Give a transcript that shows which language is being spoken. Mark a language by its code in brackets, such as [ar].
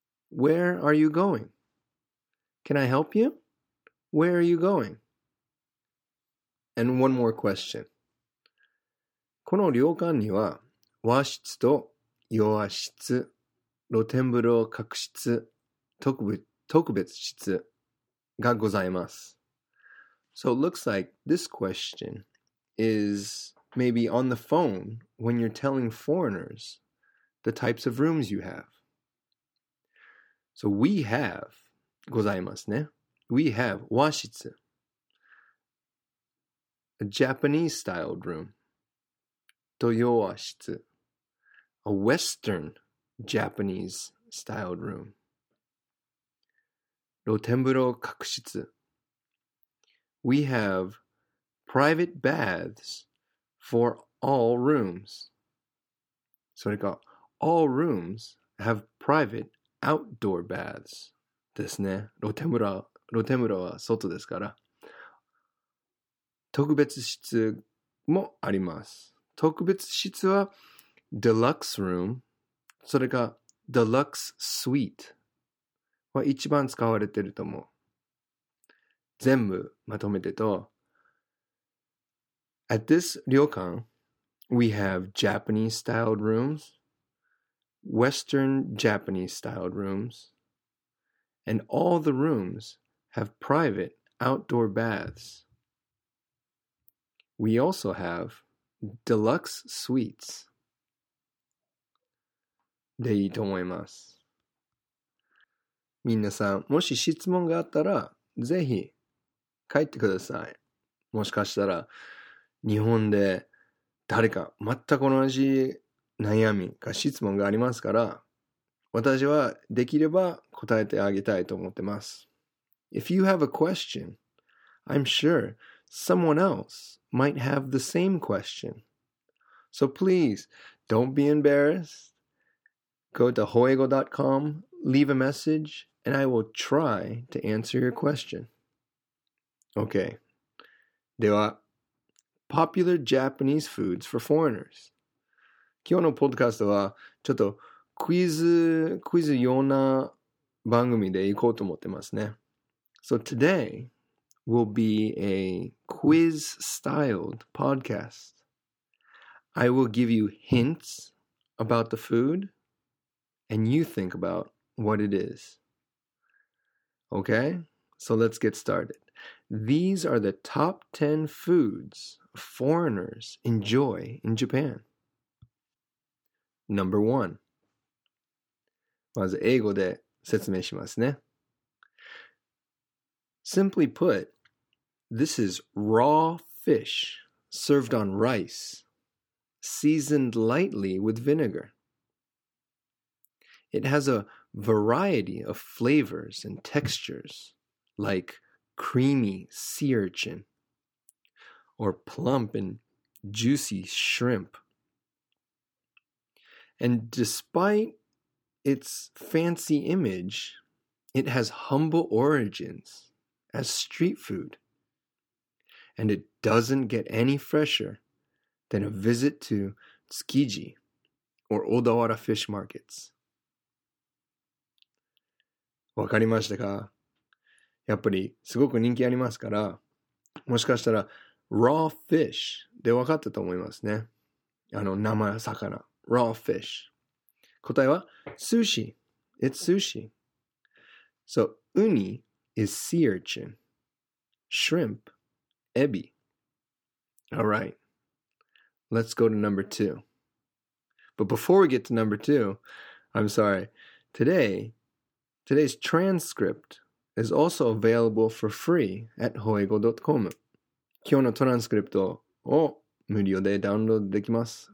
[en] Where are you going? Can I help you? Where are you going? And one more question. [ja] この旅館には、和室と洋室、露天風呂、客室、特別室がございます。 [en] So it looks like this question is maybe on the phone when you're telling foreigners the types of rooms you have. So we have, [ja] ございますね。 [en] We have 和室。 A Japanese styled room. [ja] と洋室。 [en] A Western Japanese styled room. [ja] 露天風呂客室。 [en] We have private baths for all rooms. [ja] それか、 [en] all rooms have private outdoor baths [ja] ですね。露天風呂は外ですから。特別室もあります。特別室は [en] deluxe room、 [ja] それか [en] deluxe suite。 [ja] 一番使われてると思う。全部まとめてと、 [en] At this 旅館, we have Japanese-styled rooms, Western Japanese-styled rooms, and all the rooms have private outdoor baths. We also have deluxe suites. [ja] でいいと思います。みなさん、もし質問があったら、ぜひ、書いてください。もしかしたら、日本で、誰か、全く同じ悩みか質問がありますから、私は、できれば、答えてあげたいと思ってます。 [en] If you have a question, I'm sure someone else might have the same question. So please, don't be embarrassed. Go to hoengo.com, leave a message.And I will try to answer your question. Okay. [ja] では、 [en] popular Japanese foods for foreigners. [ja] 今日のポッドキャストは、ちょっとクイズ用な番組で行こうと思ってますね。 [en] So today will be a quiz-styled podcast. I will give you hints about the food, and you think about what it is. Okay, so let's get started. These are the top 10 foods foreigners enjoy in Japan. Number 1. [ja] まず英語で説明しますね。 [en] Simply put, this is raw fish served on rice, seasoned lightly with vinegar. It has a variety of flavors and textures, like creamy sea urchin, or plump and juicy shrimp. And despite its fancy image, it has humble origins as street food. And it doesn't get any fresher than a visit to Tsukiji or Odawara fish markets. [ja] わかりましたか? やっぱりすごく人気ありますから、もしかしたら [en] raw fish [ja] でわかったと思いますね。あの生魚、 [en] raw fish。 [ja] 答えは sushi。 [en] It's sushi。 So, uni is sea urchin. Shrimp, ebi. Alright, let's go to number two. But before we get to number two, I'm sorry, today's transcript is also available for free at hoego.com. [ja] 今日のトランスクリプトを無料でダウンロードできます。